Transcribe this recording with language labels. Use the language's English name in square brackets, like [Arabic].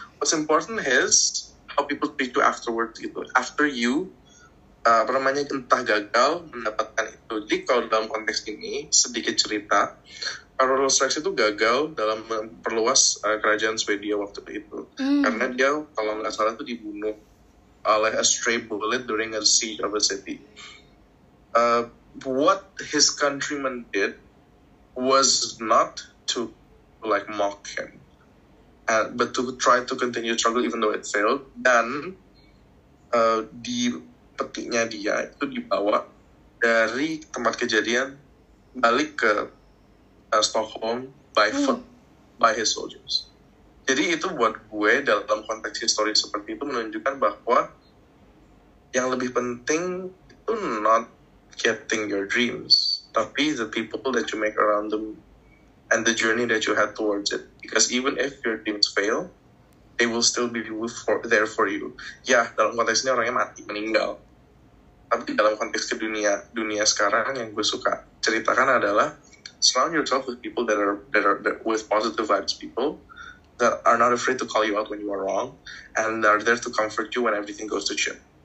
[English] What's important is how people treat you afterwards gitu. After you [Indonesian] entah gagal mendapatkan itu. Jadi kalau dalam konteks ini sedikit cerita, Carolus Rex itu gagal dalam memperluas kerajaan Swedia waktu itu. Karena dia kalau nggak salah itu dibunuh oleh [English] a stray bullet during a siege of a city. What his countrymen did was not to like mock him, but to try to continue struggle even though it failed. [Indonesian] Dan di petinya dia itu dibawa dari tempat kejadian balik ke Stockholm [English] by foot by his soldiers. [Indonesian] Jadi itu buat gue dalam konteks histori seperti itu menunjukkan bahwa yang lebih penting itu [English] not getting your dreams, [Indonesian] tapi [English] the people that you make around them and the journey that you had towards it. Because even if your dreams fail, they will still be there for you. [Indonesian] Ya, dalam konteks ini orangnya mati, meninggal. Tapi dalam konteks ke dunia sekarang yang gue suka ceritakan adalah [English] surround yourself with people that are with positive vibes, people that are not afraid to call you out when you are wrong and are there to comfort you when everything goes to shit.